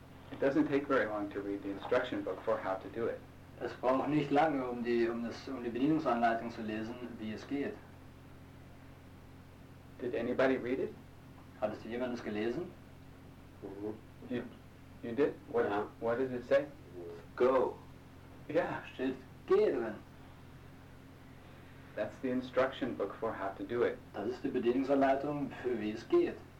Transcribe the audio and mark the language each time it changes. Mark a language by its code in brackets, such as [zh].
[en] It doesn't take very long to read the instruction book for how to do it. [de] Es braucht nicht lange, um die Bedienungsanleitung zu lesen, wie es geht. [en] Did anybody read it? [de] Hattest du jemand es gelesen? [en] Mm-hmm. You did? What did it say? Go. Yeah. [de] Steht, geh drin. [en] That's the instruction book for how to do it. [de] Das ist die Bedienungsanleitung für wie es geht.